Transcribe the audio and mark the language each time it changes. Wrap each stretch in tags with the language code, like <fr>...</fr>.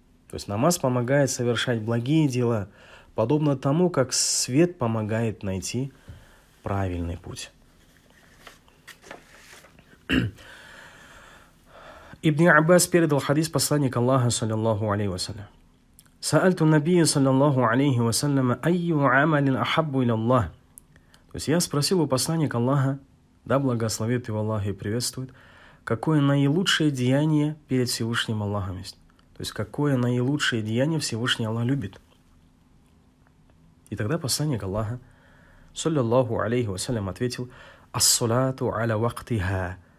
<ru>То есть намаз помогает совершать благие дела, подобно тому, как свет помогает найти правильный путь. Ибн Аббас передал хадис посланника Аллаха, саллиллаху алейхи вассалям.</ru> <ar>سألت النبي صلى الله عليه وسلم أي عمل أحب إلى الله.</ar> <ru>То есть я спросил у посланника Аллаха, да благословит его Аллах и приветствует, какое наилучшее деяние перед Всевышним Аллахом есть. То есть какое наилучшее деяние Всевышний Аллах любит. И тогда посланник Аллаха, саллиллаху алейхи вассалям, ответил:</ru> <ar>الصلاة على وقتها.</ar>